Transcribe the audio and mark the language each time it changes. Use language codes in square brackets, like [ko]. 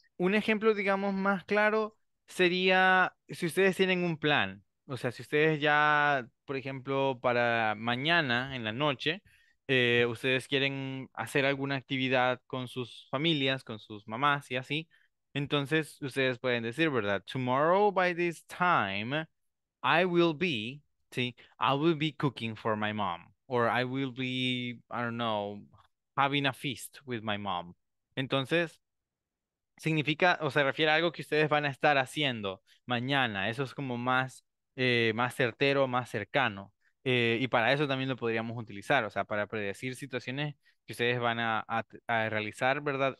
[es] Un ejemplo, digamos, más claro sería si ustedes tienen un plan. O sea, si ustedes ya, por ejemplo, para mañana en la noche... ustedes quieren hacer alguna actividad con sus familias, con sus mamás y así, entonces ustedes pueden decir, ¿verdad? [en] Tomorrow by this time, I will be, ¿sí? I will be cooking for my mom, or I will be, I don't know, having a feast with my mom. [es] Entonces, significa, o se refiere a algo que ustedes van a estar haciendo mañana, eso es como más, más certero, más cercano. Y para eso también lo podríamos utilizar, o sea, para predecir situaciones que ustedes van a realizar, ¿verdad?